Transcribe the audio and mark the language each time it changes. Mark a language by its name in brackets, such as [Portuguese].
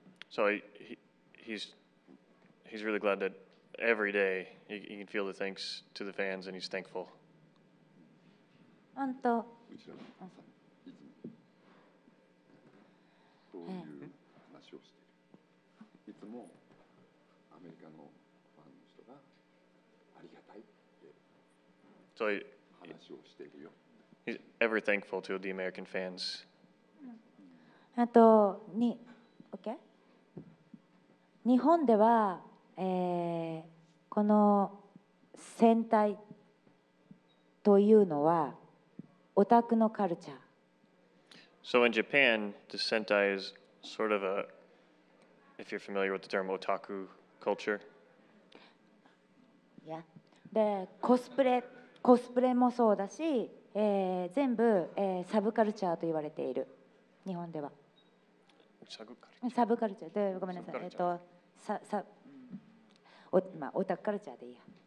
[English] So he's really glad that every day he can feel the thanks to the fans and he's thankful. [Japanese] Honto. うちらの皆さんいつもそういう話をしている。いつもアメリカのファンの人がありがたいって話をしているよ。 [English] He's ever thankful to the American fans. [Japanese] あと、に、okay? 日本では、この戦隊というのはオタクのカルチャー。 [English] So in Japan, the Sentai is sort of a, if you're familiar with the term, otaku culture. Yeah. [Japanese] で、コスプレもそうだし、全部、サブカルチャーと言われている。日本では。サブカルチャー。サブカルチャー。ごめんなさい。まあ、オタクカルチャーでいいや。